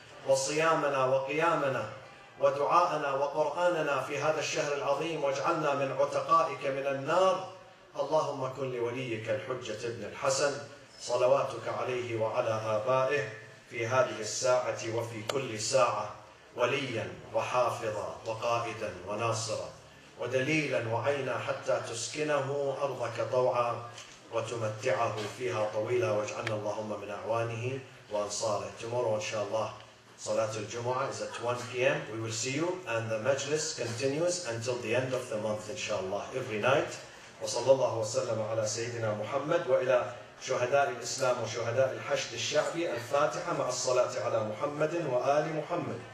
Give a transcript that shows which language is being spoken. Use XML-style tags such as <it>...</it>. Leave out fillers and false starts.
<ar>وصيامنا وقيامنا ودعاءنا وقرآننا في هذا الشهر العظيم واجعلنا من عتقائك من النار اللهم كن لوليك الحجة ابن الحسن صلواتك عليه وعلى آبائه في هذه الساعة وفي كل ساعة وليا وحافظا وقائدا وناصرا ودليلا وعينا حتى تسكنه أرضك طوعا وتمتعه فيها طويلا واجعلنا اللهم من أعوانه وأنصاره.</ar> <en>Tomorrow inshallah, Salat al-Jumu'ah is at 1 p.m. We will see you, and the majlis continues until the end of the month inshallah, every night.</en> <ar>وصلى الله وسلم على سيدنا محمد وإلى شهداء الإسلام وشهداء الحشد الشعبي. الفاتحة مع الصلاة على محمد وآل محمد.</ar>